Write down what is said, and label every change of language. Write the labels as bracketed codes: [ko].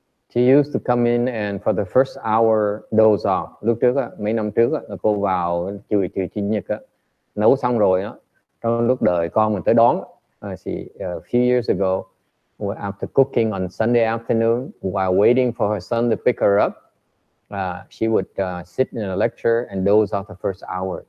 [en] She used to come in and for the first hour doze off. [vi] Lúc trước á, mấy năm trước á, cô vào chiều chủ nhật á, nấu xong rồi á, trong lúc đợi con mình tới đón. [en] A few years ago, after cooking on Sunday afternoon, while waiting for her son to pick her up, she would sit in a lecture and doze off the first hour.